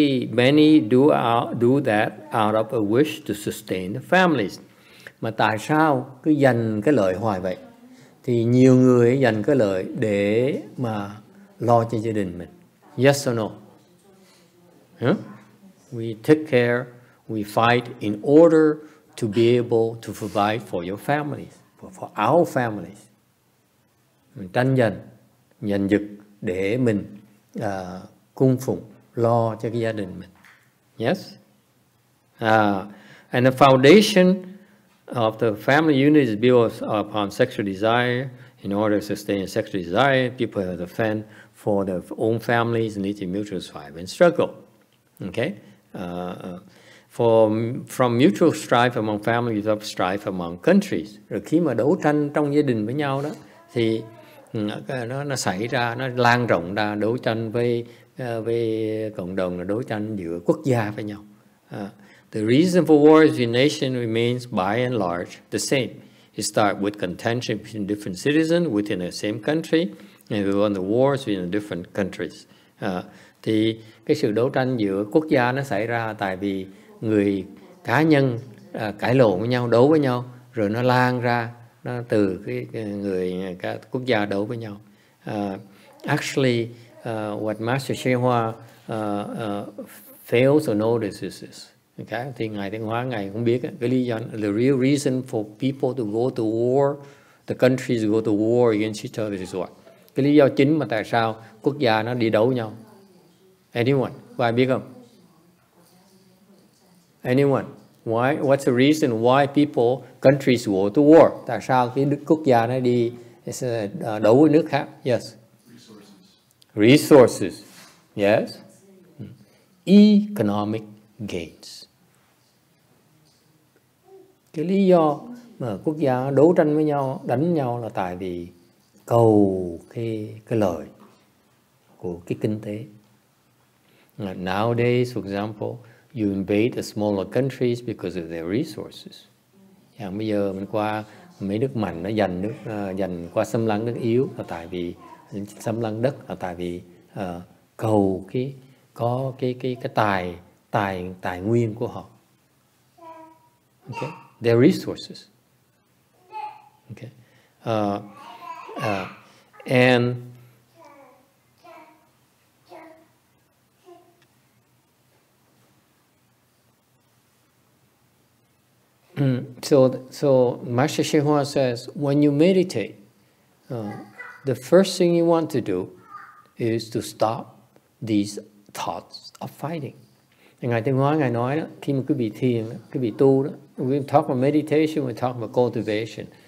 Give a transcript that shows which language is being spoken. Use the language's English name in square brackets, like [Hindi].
[English] Many do that out of a wish to sustain the families. [Vietnamese] Mà tại sao cứ dành cái lợi hoài vậy? Thì nhiều người dành cái lợi để mà lo cho gia đình mình. [English] Yes or no? Huh? We take care, we fight in order to be able to provide for your families, for our families. [Vietnamese] Mình tranh giành, giành giật để mình cung phụng, lo cho cái gia đình mình. [English] Yes? And the foundation of the family unit is built upon sexual desire. In order to sustain sexual desire, people have to fend for their own families and need to mutual strive and struggle. Okay? From mutual strife among families of strife among countries. [Vietnamese] Rồi khi mà đấu tranh trong gia đình với nhau đó, thì nó xảy ra, nó lan rộng ra đấu tranh với cộng đồng, là đấu tranh giữa quốc gia với nhau. [English] The reason for wars in nation remains by and large the same. It starts with contention between different citizens within the same country, and we won the wars in different countries. [Vietnamese] Thì cái sự đấu tranh giữa quốc gia nó xảy ra tại vì người cá nhân cãi lộn với nhau, đấu với nhau, rồi nó lan ra, nó từ cái người quốc gia đấu với nhau. [English] What Master XuanHua fails to notice is this. Okay? [Vietnamese] Thì Ngài Thiện Hóa, Ngài cũng biết cái lý do, [English] the real reason for people to go to war, the countries go to war against each other is what? [Vietnamese] Cái lý do chính mà tại sao quốc gia nó đi đấu nhau. [English] Anyone? [Vietnamese] Có ai biết không? [English] Anyone? Why? What's the reason why people, countries go to war? [Vietnamese] Tại sao cái quốc gia nó đi đấu với nước khác? [English] Yes. Resources. Yes. Economic gains. [Vietnamese] Cái lý do mà quốc gia đấu tranh với nhau, đánh nhau là tại vì cầu cái lợi của cái kinh tế. [English] Nowadays, for example, you invade the smaller countries because of their resources. [Vietnamese] Yeah, bây giờ mình qua mấy nước mạnh nó giành nước, giành qua xâm lăng nước yếu là tại vì xâm lăng đất là tại vì cầu cái có cái tài nguyên của họ. [English] Okay, their resources. Okay, and So Master XuanHua says, when you meditate, the first thing you want to do is to stop these thoughts of fighting. [Vietnamese] Ngài Thiện Hóa, Ngài nói đó, khi mà quý vị thiền, quý vị tu đó, [English] we talk about meditation, we talk about cultivation.